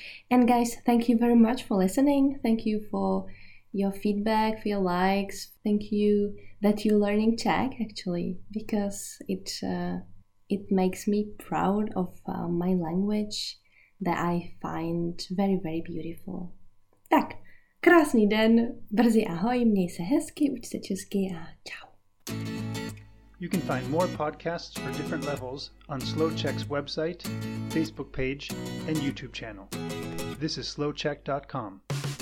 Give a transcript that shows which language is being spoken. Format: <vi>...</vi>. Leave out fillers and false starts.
<en>And guys, thank you very much for listening. Thank you for your feedback, for your likes. Thank you that you're learning Czech, actually, because it makes me proud of my language that I find very, very beautiful.</en> <cs>Tak. Krásný den, brzy ahoj, měj se hezky, uč se česky a čau.</cs> <en>You can find more podcasts for different levels on Slow Czech's website, Facebook page, and YouTube channel. This is slowcheck.com.</en>